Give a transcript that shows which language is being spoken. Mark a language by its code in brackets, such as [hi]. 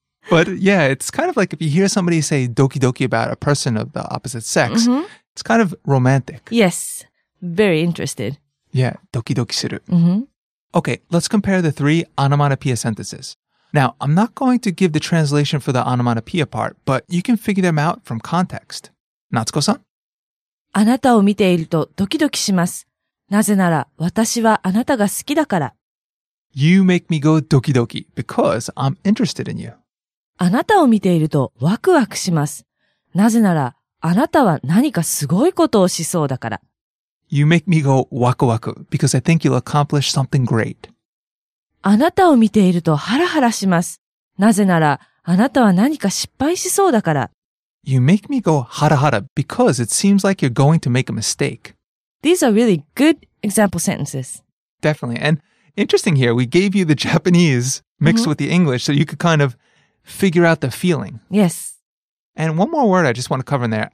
[en] But yeah, it's kind of like if you hear somebody say doki doki about a person of the opposite sex, it's kind of romantic. Yes. Very interested. [ja] Yeah, doki doki suru. [en] Okay, let's compare the three onomatopoeia sentences. Now, I'm not going to give the translation for the onomatopoeia part, but you can figure them out from context. Natsuko-san? [ja] あなたを見ているとドキドキします。なぜなら私はあなたが好きだから。 [en] You make me go doki doki because I'm interested in you. [ja] あなたを見ているとワクワクします。なぜなら、あなたは何かすごいことをしそうだから。 [en] You make me go ワクワク because I think you'll accomplish something great. [ja] あなたを見ているとハラハラします。なぜなら、あなたは何か失敗しそうだから。 [en] You make me go ハラハラ because it seems like you're going to make a mistake. These are really good example sentences. Definitely. And interesting here, we gave you the Japanese mixed mm-hmm. with the English so you could kind of figure out the feeling. Yes. And one more word I just want to cover in there.